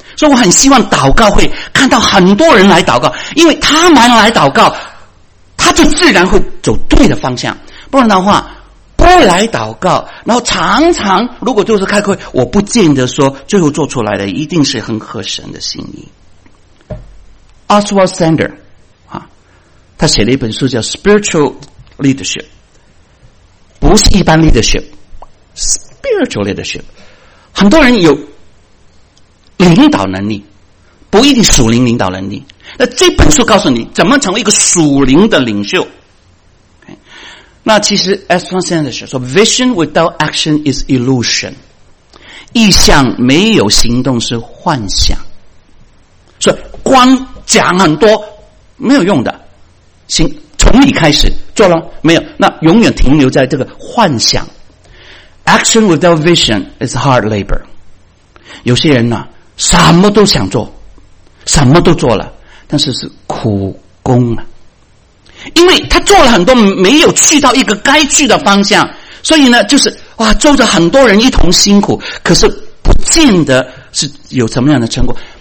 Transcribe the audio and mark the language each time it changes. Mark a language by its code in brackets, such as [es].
[zh] 所以我很希望祷告会看到很多人来祷告，因为他们来祷告，他就自然会走对的方向。不然的话，不来祷告，然后常常如果就是开会，我不见得说最后做出来的一定是很合神的心意。 Oswald Sander 他写了一本书叫 Spiritual Leadership， 不是一般 leadership， Spiritual Leadership。很多人有领导能力，不一定属灵领导能力。那这本书告诉你怎么成为一个属灵的领袖。那其实 Aston Sanders 说 [en] Vision without action is illusion， [zh] 意向没有行动是幻想。所以光讲很多没有用的，行，从你开始做了没有，那永远停留在这个幻想。 [en] Action without vision is hard labor。 [zh] 有些人呢，什么都想做，什么都做了，但是是苦工啊，因为他做了很多没有去到一个该去的方向，所以呢就是哇，做着很多人一同辛苦，可是不见得是有什么样的成果。